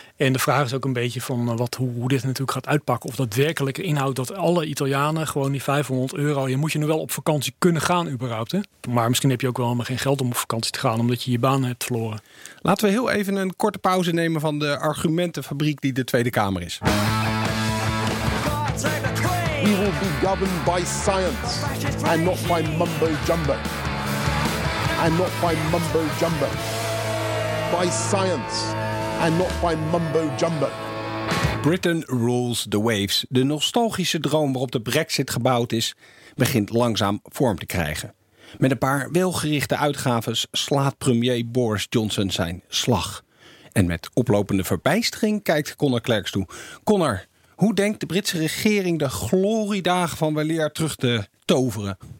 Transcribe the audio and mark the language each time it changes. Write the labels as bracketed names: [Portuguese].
[Dutch] En de vraag is ook een beetje van hoe dit natuurlijk gaat uitpakken. Of dat werkelijk inhoudt dat alle Italianen gewoon die €500... Je moet je nu wel op vakantie kunnen gaan überhaupt. Hè? Maar misschien heb je ook wel helemaal geen geld om op vakantie te gaan, omdat je je baan hebt verloren. Laten we heel even een korte pauze nemen van de argumentenfabriek die de Tweede Kamer is. [English] We will be governed by science and not by mumbo jumbo. And not by mumbo jumbo. By science. And not by mumbo jumbo. Britain rules the waves. [Dutch] De nostalgische droom waarop de Brexit gebouwd is, begint langzaam vorm te krijgen. Met een paar welgerichte uitgaves slaat premier Boris Johnson zijn slag. En met oplopende verbijstering kijkt Conor Clerks toe. Conor, hoe denkt de Britse regering de gloriedagen van weleer terug te toveren?